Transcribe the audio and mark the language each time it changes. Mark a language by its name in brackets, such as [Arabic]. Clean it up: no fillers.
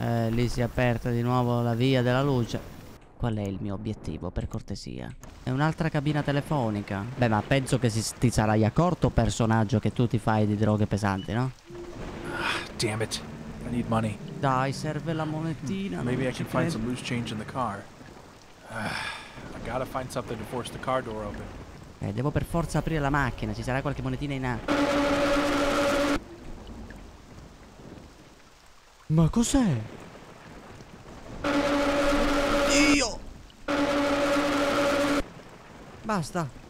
[Italian] Lì si è aperta di nuovo la via della luce. Qual è il mio obiettivo, per cortesia? È un'altra cabina telefonica? Beh, ma penso che ti sarai accorto, personaggio, che tu ti fai di droghe pesanti, no? [English] Damn it. I need money. [Italian] Dai, serve la monetina. [English] Maybe I can find some loose change in the car. I gotta find something to force the car door open. [Italian] Devo per forza aprire la macchina. Ci sarà qualche monetina in acqua. Ma cos'è? Dio! Basta.